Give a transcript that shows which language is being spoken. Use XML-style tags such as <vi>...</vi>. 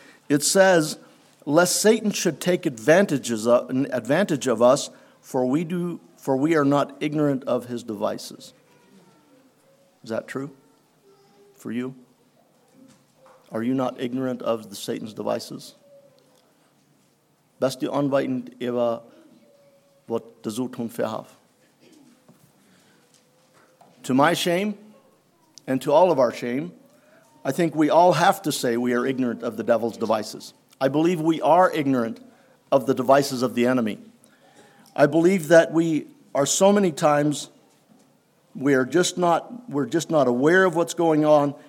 <en>It says, lest Satan should take advantage of us, for we are not ignorant of his devices. Is that true for you? Are you not ignorant of the Satan's devices?</en> <de>Bist du unwissend über was der Satan vorhat?</de> <en>To my shame, and to all of our shame, I think we all have to say we are ignorant of the devil's devices. I believe we are ignorant of the devices of the enemy. I believe that we are so many times, we're just not aware of what's going on.</en>